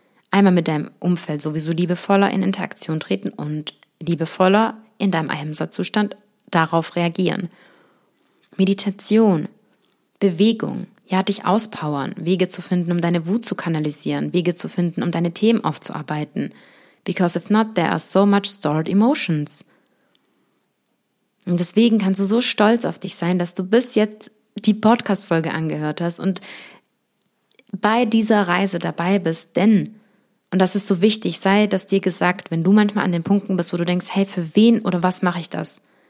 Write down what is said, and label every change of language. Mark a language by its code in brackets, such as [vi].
[de] Einmal mit deinem Umfeld sowieso liebevoller in Interaktion treten und liebevoller in deinem Ahimsa-Zustand darauf reagieren. Meditation, Bewegung, ja, dich auspowern, Wege zu finden, um deine Wut zu kanalisieren, Wege zu finden, um deine Themen aufzuarbeiten. [en] Because if not, there are so much stored emotions. [de] Und deswegen kannst du so stolz auf dich sein, dass du bis jetzt die Podcast-Folge angehört hast und bei dieser Reise dabei bist, denn, und das ist so wichtig, sei das dir gesagt, wenn du manchmal an den Punkten bist, wo du denkst, hey, für wen oder was mache ich das?